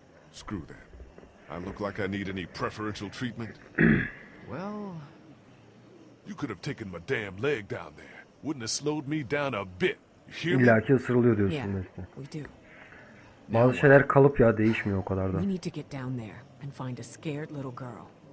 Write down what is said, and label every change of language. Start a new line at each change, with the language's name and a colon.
English: Screw that. I look like I need any preferential treatment? Well... You could have taken my damn leg down there. Wouldn't have slowed me down a bit. You hear me?
Turkish: İlla ki ısırılıyor diyorsun
English: yeah,
Turkish: mesela.
English: We do.
Turkish: Bazı şeyler kalıp ya, değişmiyor o kadar da.
English: We need to get down there and find a scared little girl.